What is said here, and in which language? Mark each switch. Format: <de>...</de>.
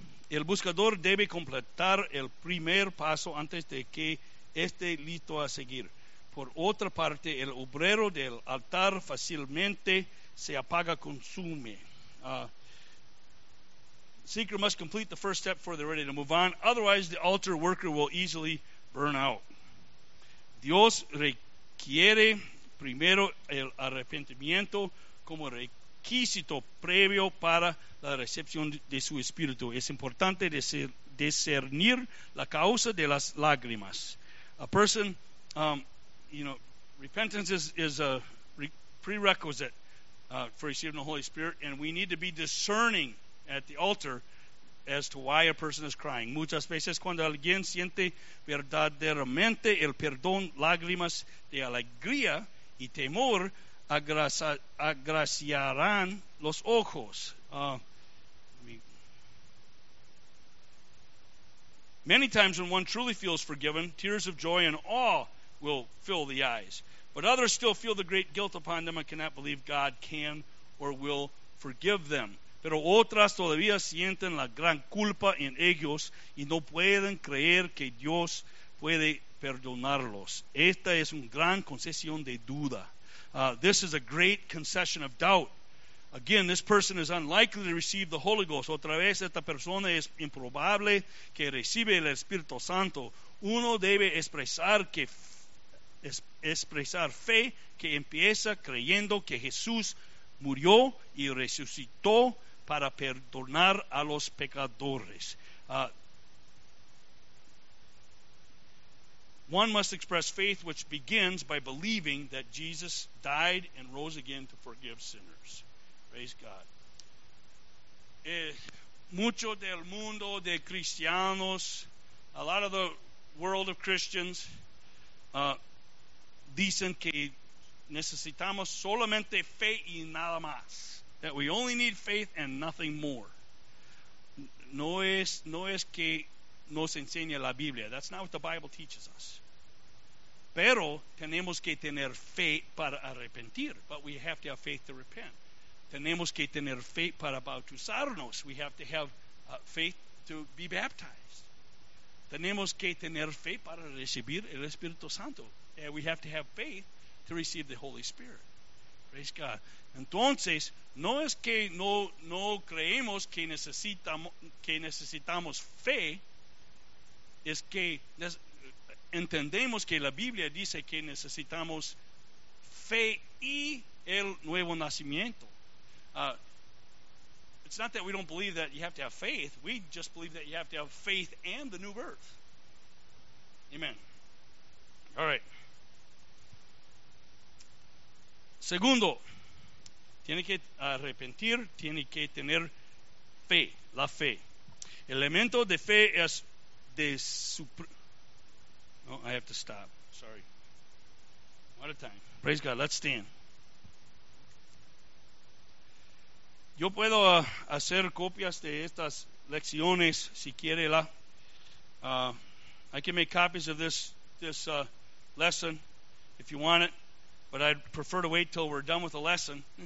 <es>El buscador debe completar el primer paso antes de que esté listo a seguir. Por otra parte, el obrero del altar fácilmente se apaga, consume.</es> <en>Seeker must complete the first step before they're ready to move on. Otherwise, the altar worker will easily burn out.</en> <es>Dios requiere primero el arrepentimiento como requisito previo para la recepción de su espíritu. Es importante discernir la causa de las lágrimas.</es> <en>A person, repentance is a prerequisite for receiving the Holy Spirit, and we need to be discerning at the altar as to why a person is crying.</en> <es>Muchas veces cuando alguien siente verdaderamente el perdón, lágrimas de alegría y temor agraciarán los ojos.</es> <en>Many times when one truly feels forgiven, tears of joy and awe will fill the eyes. But others still feel the great guilt upon them and cannot believe God can or will forgive them.</en> <es>Pero otras todavía sienten la gran culpa en ellos y no pueden creer que Dios puede perdonarlos. Esta es una gran concesión de duda.</es> <en>This is a great concession of doubt. Again, this person is unlikely to receive the Holy Ghost.</en> <es>Otra vez, esta persona es improbable que reciba el Espíritu Santo. Uno debe expresar fe que empieza creyendo que Jesús murió y resucitó para perdonar a los pecadores.</es> <en>One must express faith which begins by believing that Jesus died and rose again to forgive sinners. Praise God.</en> <es>Mucho del mundo de cristianos,</es> <en>a lot of the world of Christians,</en> <es>dicen que necesitamos solamente fe y nada más.</es> <en>That we only need faith and nothing more.</en> <es>No es que nos enseña la Biblia.</es> <en>That's not what the Bible teaches us.</en> <es>Pero tenemos que tener fe para arrepentir.</es> <en>But we have to have faith to repent.</en> <es>Tenemos que tener fe para bautizarnos.</es> <en>We have to have faith to be baptized.</en> <es>Tenemos que tener fe para recibir el Espíritu Santo.</es> <en>And we have to have faith to receive the Holy Spirit. Praise God.</en> <es>Entonces, no es que no creemos que necesitamos fe, es que entendemos que la Biblia dice que necesitamos fe y el nuevo nacimiento.</es> <en>It's not that we don't believe that you have to have faith, we just believe that you have to have faith and the new birth. Amen. All right.</en> <es>Segundo, tiene que arrepentir, tiene que tener fe, la fe. El elemento de fe es de</es> <en>I have to stop. Sorry. I'm out of time. Praise God. Let's stand.</en> <es>Yo puedo hacer copias de estas lecciones si quiere la.</es> <en>I can make copies of this lesson if you want it, but I'd prefer to wait till we're done with the lesson.</en>